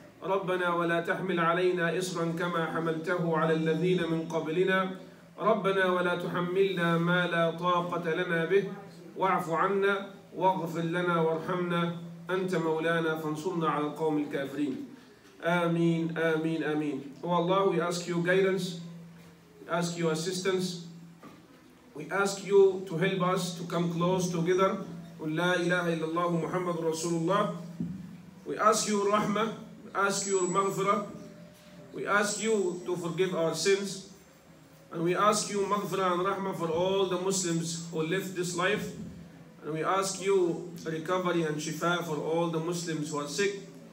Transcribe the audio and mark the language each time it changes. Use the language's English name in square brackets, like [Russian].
[Arabic] ربنا ولا تحمل علينا إصرا كما حملته على الذين من قبلنا. ربنا ولا تحملنا ما لا طاقة لنا به، واعف عنا واغفر لنا وارحمنا، أنت مولانا فانصرنا على القوم الكافرين. آمين آمين آمين. [English] Oh Allah, we ask you guidance, we ask you assistance, we ask you to help us to come close together. [Arabic] قل لا إله إلا الله محمد رسول الله. [English] We ask you rahmah, we ask you maghfirah, we ask you to forgive our sins, and we ask you maghfirah and rahmah for all the Muslims who left this life, and we ask you recovery and shifa for all the Muslims who are sick.